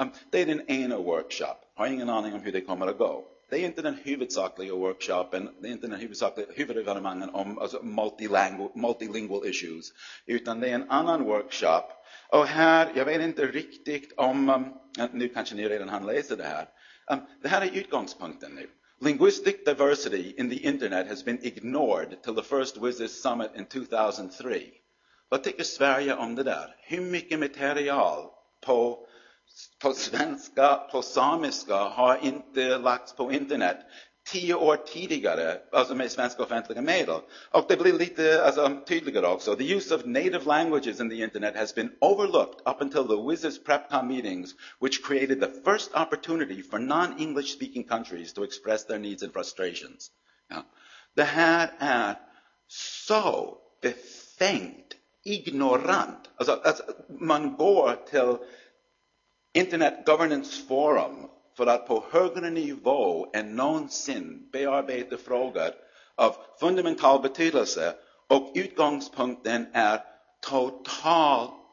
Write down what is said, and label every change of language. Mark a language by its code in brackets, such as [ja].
[sv] Det är den ena workshop. Har ingen aning om hur det kommer att gå. Det är inte den huvudsakliga workshopen. Det är inte den huvudsakliga huvudevenemangen om alltså [en] multilingual issues. [sv] Utan det är en annan workshop. Och här, jag vet inte riktigt om, nu kanske ni redan har läst det här. Det här är utgångspunkten nu. [en] Linguistic diversity in the internet has been ignored till the first Wizards Summit in 2003. [sv] Vad tycker Sverige om det där? Hur mycket material på svenska, på samiska har inte lagts på internet 10 år tidigare, alltså med svenska offentliga medel. Och det blir lite alltså, tydligare också. [en] The use of native languages in the internet has been overlooked up until the Wizards PrepCon meetings, which created the first opportunity for non-English speaking countries to express their needs and frustrations. Yeah. [sv] Det här är så befängt, ignorant. Alltså, man går till Internet Governance Forum för att på högre nivå än någonsin bearbeta frågor av fundamental betydelse och utgångspunkten är total